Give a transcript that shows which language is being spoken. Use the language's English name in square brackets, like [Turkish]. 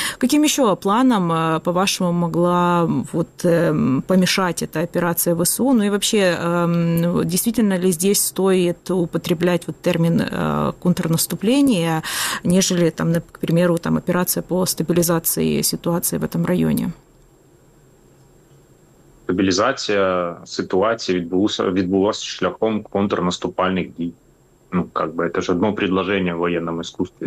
[Russian] Каким еще планом, по-вашему, могла вот помешать эта операция ВСУ? Ну и вообще, действительно ли здесь стоит употреблять вот термин контрнаступление, нежели, там, к примеру, там, операция по стабилизации ситуации в этом районе? [Ukrainian] Стабілізація ситуації відбулася шляхом контрнаступальних дій. [Russian] Ну, как бы, это же одно предложение в военном искусстве.